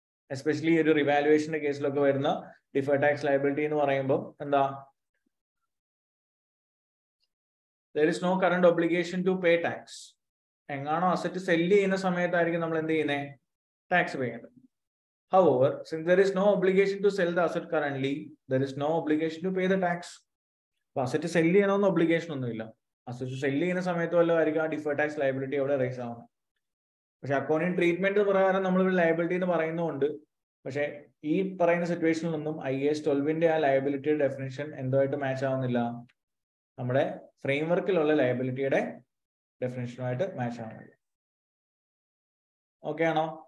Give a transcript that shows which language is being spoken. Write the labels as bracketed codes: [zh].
[ml] Especially ഒരു റിവാലുവേഷന്റെ കേസിലൊക്കെ വരുന്ന deferred tax liability എന്ന് പറയുമ്പോൾ എന്താ, [en] there is no current obligation to pay tax. [ml] എങ്ങാണോ asset cell ചെയ്യുന്ന സമയത്തായിരിക്കും നമ്മൾ എന്ത് ചെയ്യുന്നത്, ടാക്സ് പേ ചെയ്യുന്നത്. [en] However, since there is no obligation to sell the asset currently, there is no obligation to pay the tax. [ml] Asset cell ചെയ്യണമെന്ന് obligation ഒന്നുമില്ല. Asset cell ചെയ്യുന്ന സമയത്ത് വല്ലതും ആയിരിക്കും ആ ഡിഫേർഡ് ടാക്സ് ലയബിലിറ്റി അവിടെ റൈസ് ആവുന്നത്. പക്ഷെ അക്കൗണ്ടിങ് ട്രീറ്റ്മെന്റ് പ്രകാരം നമ്മൾ ലയബിലിറ്റി എന്ന് പറയുന്നുണ്ട്. പക്ഷെ ഈ പറയുന്ന സിറ്റുവേഷനിൽ നിന്നും ഐ എസ് 12 ആ ലയബിലിറ്റിയുടെ ഡെഫിനേഷൻ എന്തുമായിട്ട് മാച്ച് ആവുന്നില്ല, നമ്മുടെ ഫ്രെയിംവർക്കിലുള്ള ലയബിലിറ്റിയുടെ ഡെഫിനേഷനുമായിട്ട് മാച്ച് ആവുന്നില്ല. ഓക്കെ ആണോ?